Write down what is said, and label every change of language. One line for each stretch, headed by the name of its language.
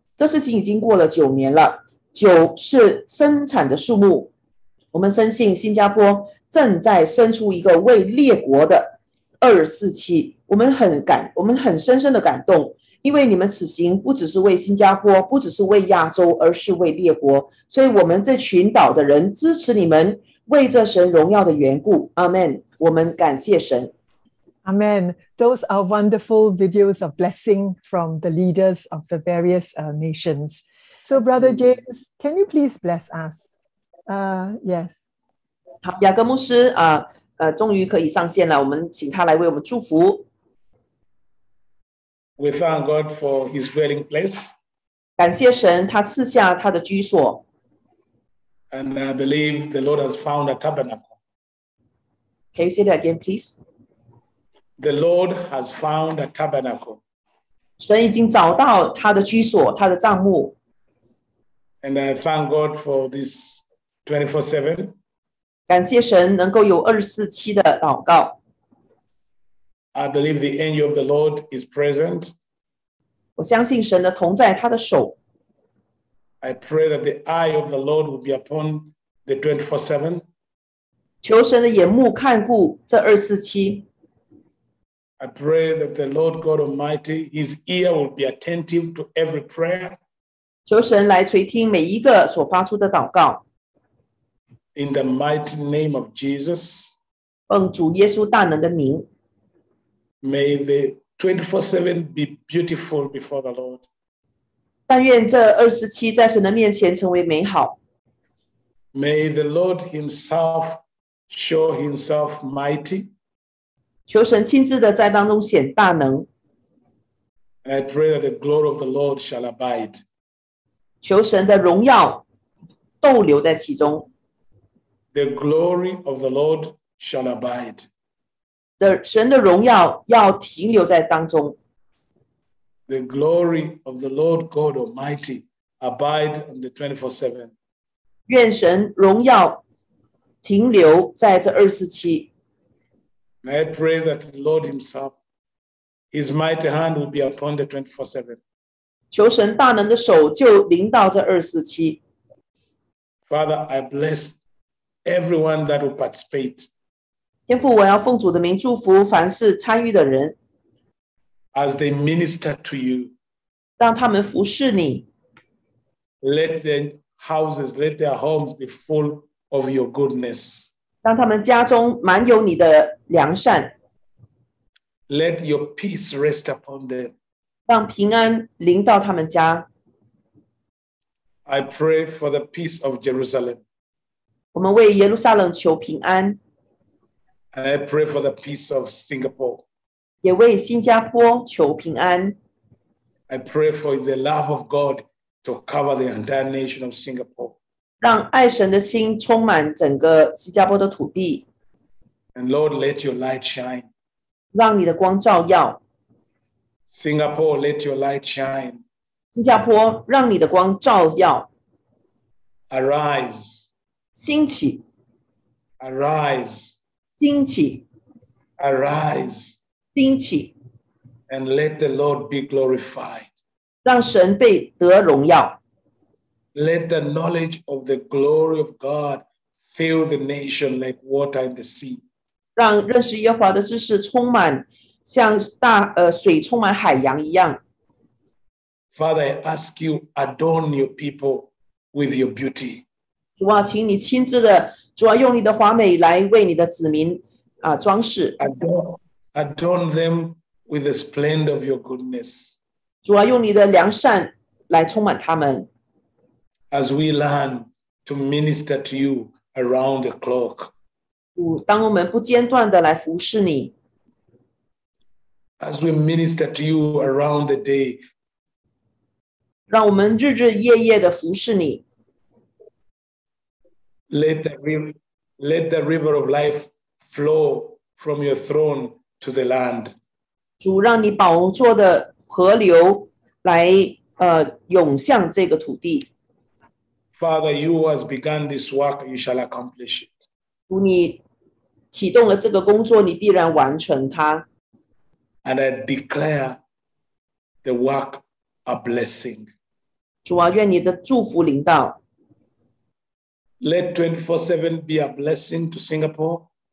Chinese: 这事情已经过了九年了，酒是生产的数目，我们深信新加坡正在生出一个为列国的247。我们很深深的感动，因为你们此行不只是为新加坡，不只是为亚洲，而是为列国。所以我们这群岛的人支持你们，为这神荣耀的缘故。 Amen。 我们感谢神。
English: Amen. Those are wonderful videos of blessing from the leaders of the various nations. So, Brother James, can you please bless us? Yes.
Chinese: 好，雅各牧师啊，终于可以上线了。我们请他来为我们祝福。
English: We thank God for His dwelling place.
Chinese: 感谢神，他赐下他的居所。
English: And I believe the Lord has found a tabernacle. Can you say that again, please? The Lord has found a tabernacle.
Chinese: 神已经找到他的居所，他的帐幕。
English: And I thank God for this 24/7.
Chinese: 感谢神能够有247的祷告。
English: I believe the angel of the Lord is present.
Chinese: 我相信神的同在，他的手。
English: I pray that the eye of the Lord will be upon the 24/7.
Chinese: 求神的眼目看顾这247。
English: I pray that the Lord God Almighty, His ear will be attentive to every prayer.
Chinese: 求神来垂听每一个所发出的祷告。
English: In the mighty name of Jesus.
Chinese: 奉主耶稣大能的名。
English: May the 24/7 be beautiful before the Lord.
Chinese: 但愿这247在神的面前成为美好。
English: May the Lord Himself show Himself mighty.
Chinese: 求神亲自的在当中显大能。
English: I pray that the glory of the Lord shall abide.
Chinese: 求神的荣耀逗留在其中。
English: The glory of the Lord shall abide.
Chinese: 神的荣耀要停留在当中。
English: The glory of the Lord God Almighty abide on the 24/7.
Chinese: 愿神荣耀停留在这247。
English: I pray that the Lord Himself, His mighty hand will be upon the 24/7.
Chinese: 求神大能的手就临到这247。
English: Father, I bless everyone that will participate.
Chinese: 天父，我要奉主的名祝福凡是参与的人。
English: As they minister to you,
Chinese: 让他们服侍你。
English: Let their houses, let their homes be full of your goodness.
Chinese: 让他们家中满有你的良善。
English: Let your peace rest upon them.
Chinese: 让平安临到他们家。
English: I pray for the peace of Jerusalem.
Chinese: 我们为耶路撒冷求平安。
English: And I pray for the peace of Singapore.
Chinese: 也为新加坡求平安。
English: I pray for the love of God to cover the entire nation of Singapore.
Chinese: 让爱神的心充满整个新加坡的土地。
English: And Lord, let your light shine.
Chinese: 让你的光照耀。
English: Singapore, let your light shine.
Chinese: 新加坡，让你的光照耀。
English: Arise.
Chinese: 兴起。
English: Arise.
Chinese: 兴起
English: ，arise，
Chinese: 兴起
English: ，and let the Lord be glorified，
Chinese: 让神被得荣耀。
English: Let the knowledge of the glory of God fill the nation like water in the sea，
Chinese: 让认识耶和华的知识充满像大水充满海洋一样。
English: Father, I ask you adorn your people with your beauty。
Chinese: 主啊，请你亲自的，主啊，用你的华美来为你的子民啊装饰。
English: Adorn them with the splendor of your goodness.
Chinese: 主啊，用你的良善来充满他们。
English: As we learn to minister to you around the clock.
Chinese: 主，当我们不间断的来服侍你。
English: As we minister to you around the day.
Chinese: 让我们日日夜夜的服侍你。
English: Let the river, Let the river of life flow from your throne to the land.
Chinese: 主让你宝座的河流来涌向这个土地。
English: Father, you has begun this work, you shall accomplish it.
Chinese: 主你启动了这个工作，你必然完成它。
English: And I declare the work a blessing.
Chinese: 主啊，愿你的祝福临到。
English: Let 24/7 be a blessing to Singapore.